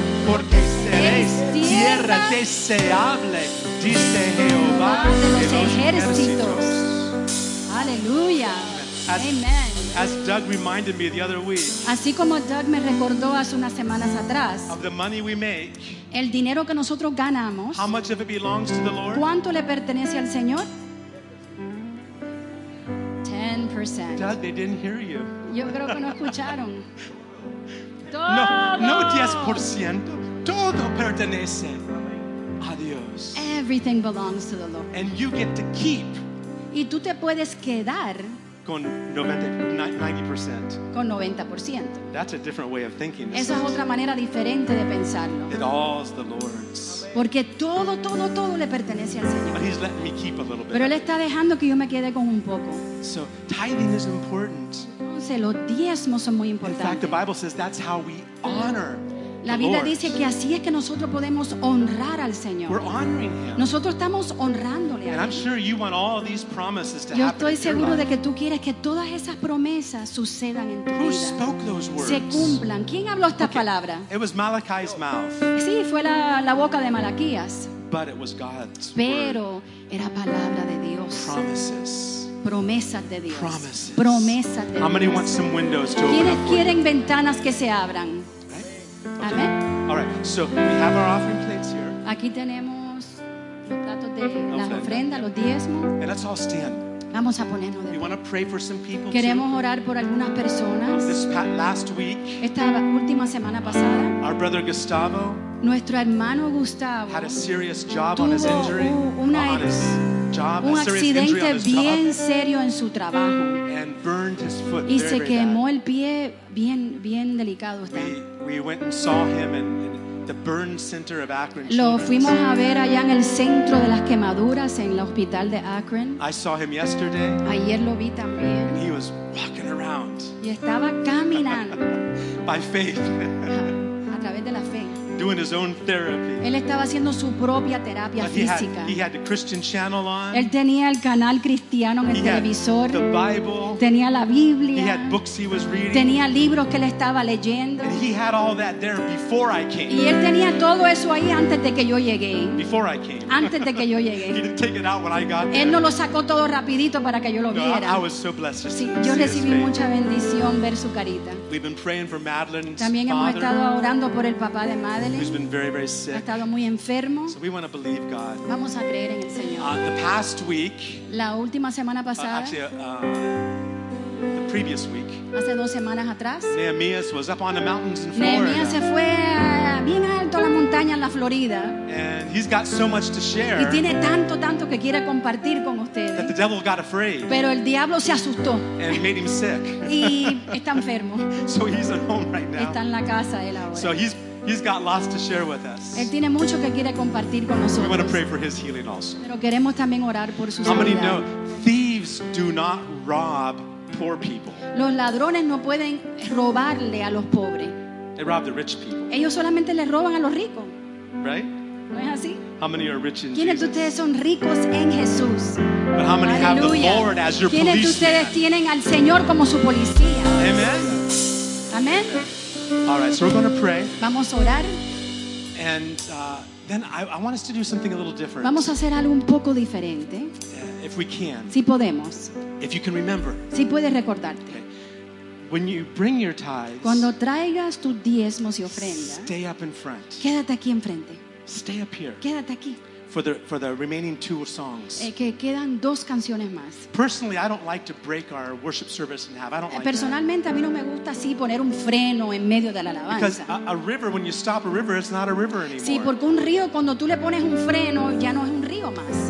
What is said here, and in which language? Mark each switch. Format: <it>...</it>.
<es>porque seréis tierra deseable, dice Jehová de los ejércitos. Aleluya.</es> <en>As Doug reminded me the other week,</en> <es>así como Doug me recordó hace unas semanas atrás, of the money we make, el dinero que nosotros ganamos, how much of it belongs to the Lord? ¿Cuánto le pertenece al Señor?</es> <en>10%. Doug, they didn't hear you.</en> <es>Yo creo que no escucharon. No 10%. Todo pertenece a Dios.</es> <en>Everything belongs to the Lord. And you get to keep.</en> <es>Y tú te puedes quedar. Con 90%. Con 90%.</es> <en>That's a different way of thinking.</en> <es>Esa es otra manera diferente de pensarlo.</es> <en>It all's the Lord's.</en> <es>Porque todo le pertenece al Señor.</es> <en>But he's letting me keep a little bit.</en> <es>Pero él está dejando que yo me quede con un poco.</es> <en>So tithing is important.</en> <es>entonces los diezmos son muy importantes.</es> <en>In fact, the Bible says that's how we honor.</en> <es>La Biblia dice que así es que nosotros podemos honrar al Señor.</es> <en>We're honoring him.</en> <es>Nosotros estamos honrándole.</es> <en>And I'm sure you want all these promises to happen.</en> <es>Yo estoy seguro de que tú quieres que todas esas promesas sucedan en tu vida.</es> <en>Who spoke those words?</en> <es>Se cumplan. ¿Quién habló esta palabra?</es> <en>It was Malachi's mouth.</en> <es>Sí, fue la boca de Malaquías.</es> <en>But it was God's word.</en> <es>Pero era palabra de Dios.</es> <en>Promises.</en> <es>Promesas de Dios.</es> <en>Promises.</en> <es>Promesas de Dios.</es> <en>How many want some windows to open?</en> <es>¿Quiénes quieren ventanas que se abran?</es> <en>Okay. Amen. All right, so we have our offering plates here.</en> <es>Aquí tenemos los platos de las ofrendas, los diezmos.</es> <en>And let's all stand.</en> <es>Vamos a ponernos de pie.</es> <en>We want to pray for some people.</en> <es>Queremos orar por algunas personas.</es> <en>This last week,</en> <es>esta última semana pasada,</es> <en>our brother Gustavo,</en> <es>nuestro hermano Gustavo,</es> <en>had a serious job on his injury.</en> <es>Un accidente bien serio en su trabajo.</es> <en>And burned his foot.</en> <es>Y se quemó el pie bien delicado está.</es> <en>We went and saw him in the burn center of Akron.</en> <es>Lo fuimos a ver allá en el centro de las quemaduras en el hospital de Akron.</es> <en>I saw him yesterday.</en> <es>Ayer lo vi también.</es> <en>And he was walking around.</en> <es>Y estaba caminando.</es> <en>By faith.</en> <es>A través de la fe.</es> <en>Doing his own therapy.</en> <es>Él estaba haciendo su propia terapia física.</es> <en>He had the Christian channel on.</en> <es>Él tenía el canal cristiano en el televisor.</es> <en>The Bible.</en> <es>Tenía la Biblia.</es> <en>He had books he was reading.</en> <es>Tenía libros que él estaba leyendo.</es> <en>And he had all that there before I came.</en> <es>Y él tenía todo eso ahí antes de que yo llegué.</es> <en>Before I came.</en> <es>Antes de que yo llegué.</es> <en>He didn't take it out when I got there.</en> <es>Él no lo sacó todo rapidito para que yo lo viera.</es> <en>No, I was so blessed.</en> <es>Sí, yo recibí mucha bendición ver su carita.</es> <en>We've been praying for Madeline's</en> <es>también</es> <en>father.</en> <es>Hemos estado orando por el papá de Madeline.</es> <en>Who's been very, very sick.</en> <es>Ha estado muy enfermo.</es> <en>So we want to believe God.</en> <es>Vamos a creer en el Señor.</es> <en>The past week,</en> <es>la última semana pasada,</es> <en>the previous week,</en> <es>hace dos semanas atrás,</es> <en>Nehemiah was up on the mountains in Florida.</en> <es>Nehemiah se fue bien alto a la montaña en la Florida.</es> <en>And he's got so much to share.</en> <es>Y tiene tanto que quiere compartir con ustedes.</es> <en>That the devil got afraid.</en> <es>Pero el diablo se asustó.</es> <en>And made him sick.</en> <es>Y está enfermo.</es> <en>So he's at home right now.</en> <es>Está en la casa él ahora.</es> <en>So he's got lots to share with us.</en> <es>Él tiene mucho que quiere compartir con nosotros.</es> <en>We want to pray for his healing also.</en> <es>Pero queremos también orar por su sanidad.</es> <en>How many know thieves do not rob poor people?</en> <es>Los ladrones no pueden robarle a los pobres.</es> <en>They rob the rich people.</en> <es>Ellos solamente le roban a los ricos.</es> <en>Right?</en> <es>¿No es así?</es> <en>How many are rich in Jesus?</en> <es>¿Quiénes de ustedes son ricos en Jesús?</es> <en>But how many have the Lord as your policeman?</en> <es>¿Quiénes de ustedes tienen al Señor como su policía?</es> <en>Amen.</en> <es>Amen.</es> <en>All right, so we're going to pray.</en> <es>Vamos a orar.</es> <en>And then I want us to do something a little different.</en> <es>Vamos a hacer algo un poco diferente.</es> <en>If we can.</en> <es>Si podemos.</es> <en>If you can remember.</en> <es>Si puedes recordarte.</es> <en>Okay. When you bring your tithes.</en> <es>Cuando traigas tus diezmos y ofrendas.</es> <en>Stay up in front.</en> <es>Quédate aquí enfrente.</es> <en>Stay up here.</en> <es>Quédate aquí.</es> <en>For the remaining two songs.</en> <es>Que quedan dos canciones más.</es> <en>Personally, I don't like to break our worship service in half. I don't like.</en> <es>Personalmente,</es> <en>that.</en> <es>A mí no me gusta así poner un freno en medio de la alabanza.</es> <en>Because a river, when you stop a river, it's not a river anymore.</en> <es>Sí, porque un río cuando tú le pones un freno ya no es un río más.</es>